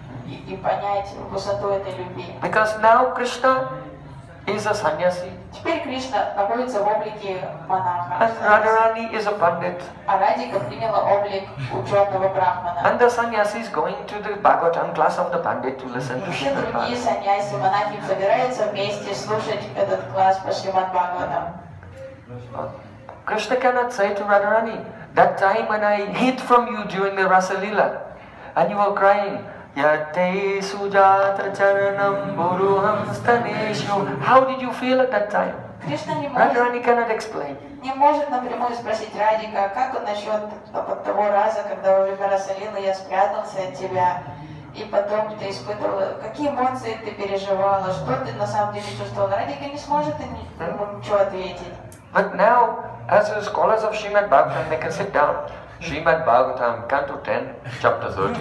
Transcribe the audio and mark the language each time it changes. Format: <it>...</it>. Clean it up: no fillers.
<ru>И понять высоту этой любви.</ru> <en>Because now Krishna is a sannyasi.</en> <ru>Теперь Кришна находится в облике монаха.</ru> <en>And Radharani is a pandit.</en> <ru>А Радика приняла облик ученого брахмана.</ru> <en>And the sannyasi is going to the Bhagavatam class of the pandit to listen to Shrimad Bhagavatam.</en> <ru>И все другие sannyasi, монахи собираются вместе слушать этот класс по Шримад Бхагаватам.</ru> <en>Krishna cannot say to Radharani, that time when I hid from you during the Rasa Lila, and you were crying,</en> <sa>Yate sujata charanam buruham staneshu.</sa> <en>How did you feel at that time? Radharani cannot explain.</en> <ru>Не может напрямую спросить Радика, как он насчет того раза, когда во время Расалилы я спрятался от тебя, и потом ты испытывала, какие эмоции ты переживала, что ты на самом деле чувствовала. Радика не сможет ему ничего ответить.</ru> <en>But now, as the scholars of Srimad Bhagavatam, they can sit down, Srimad Bhagavatam, Canto 10, Chapter</en>